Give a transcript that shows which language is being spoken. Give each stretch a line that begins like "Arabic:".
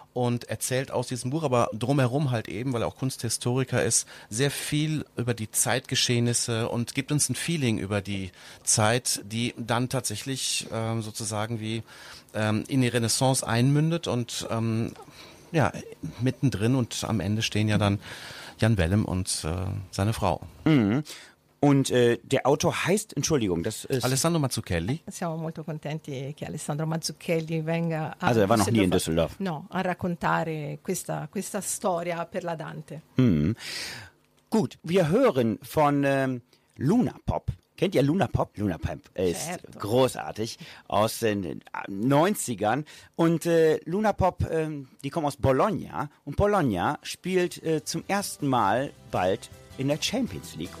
German: und erzählt aus diesem Buch, aber drumherum halt eben, weil er auch Kunsthistoriker ist, sehr viel über die Zeitgeschehnisse und gibt uns ein Feeling über die Zeit, die dann tatsächlich sozusagen wie in die Renaissance einmündet und ja, mittendrin und am Ende stehen ja dann Jan Wellem und seine Frau. Mhm. Und der Autor heißt, Entschuldigung, das ist Alessandro Mazzucchelli.
Italian: Siamo molto contenti che Alessandro Mazzucchelli venga
German: a, also er war noch nie in Düsseldorf.
Italian: No, a raccontare questa storia per la Dante. Mhm.
German: Gut, wir hören von Luna Pop. Kennt ihr Luna Pop? Luna Pop ist
Italian: certo,
German: großartig, aus den 90ern. Und Luna Pop, die kommen aus Bologna. Und Bologna spielt zum ersten Mal bald in der Champions League.